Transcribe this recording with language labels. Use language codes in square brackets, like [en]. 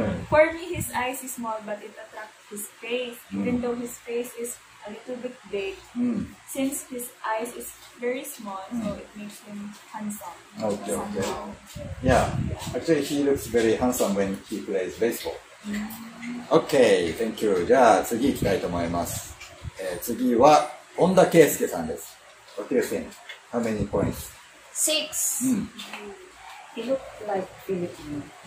[en] For me, his eyes is small, but it attracts his face. Even though his face is a little bit big, since his eyes is very small, so it makes him handsome. Okay. Yeah, actually, he looks very handsome when he plays baseball. Okay, thank you. [ja] じゃあ次行きたいと思います。次は本田圭佑さんです。 [en] What do you think? How many points? Six. He looked like Filipino.